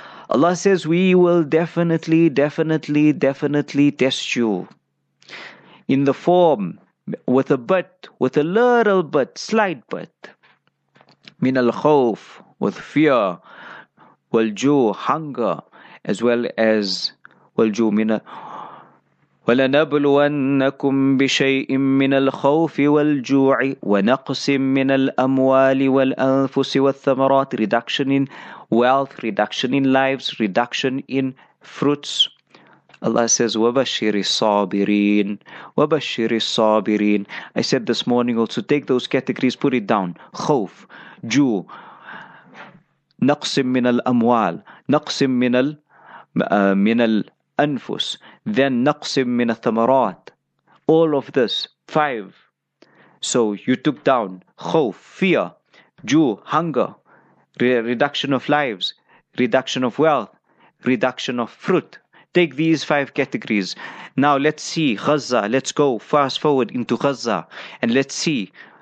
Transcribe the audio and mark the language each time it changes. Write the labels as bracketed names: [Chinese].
[English] Allah says, we will definitely, definitely, definitely test you. In the form, with a bit, with a little bit, slight bit. [Arabic] مِنَ الْخَوْفِ, [English] with fear. وَالْجُوعِ, hunger. As well as, [Arabic] وَالْجُوعِ مِنَ وَلَنَبْلُوَنَّكُمْ بِشَيْءٍ مِّنَ الْخَوْفِ وَالْجُوعِ وَنَقْصٍ مِّنَ الْأَمْوَالِ وَالْأَنفُسِ وَالثَّمَرَاتِ. [English] Reduction in wealth, reduction in lives, reduction in fruits. Allah says, [Arabic] وَبَشِّرِ الصَّابِرِينَ وَبَشِّرِ الصَّابِرِينَ. [English] I said this morning also, take those categories, put it down. [Arabic] خوف, جوع, نَقْصٍ مِّنَ الْأَمْوَالِ, نَقْصٍ مِّنَ الْأَنفُسِ, then naqsim min athamarat. [English] All of this, five. So you took down khawf, fear, ju, hunger, reduction of lives, reduction of wealth, reduction of fruit. Take these five categories. Now let's see Gaza. Let's go fast forward into Gaza. And let's see.